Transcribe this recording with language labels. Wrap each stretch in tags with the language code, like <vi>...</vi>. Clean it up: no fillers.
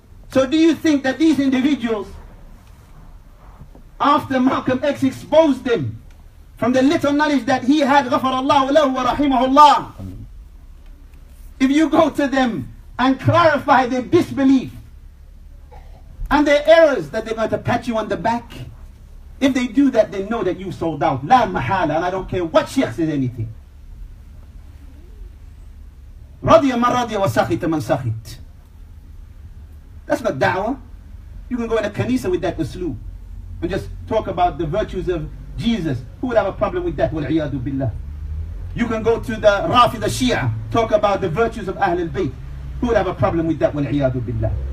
<en>So do you think that these individuals, after Malcolm X exposed them from the little knowledge that he had,</en> <ar>غفر الله له ورحمه الله,</ar> <en>if you go to them and clarify their disbelief and their errors, that they're going to pat you on the back? If they do that, they know that you sold out.</en> <ar>لا محالة.</ar> <en>And I don't care what Sheikh says anything.</en> <ar>رضي من رضي وسخط من سخط.</ar> <en>That's not da'wah. You can go in a kanisa with that uslub and just talk about the virtues of Jesus. Who would have a problem with that?</en> <ar>Wal'iyadu billah.</ar> <en>You can go to the Rafi, the Shia, talk about the virtues of Ahlul Bayt. Who would have a problem with that?</en> <ar>Wal'iyadu billah.</ar>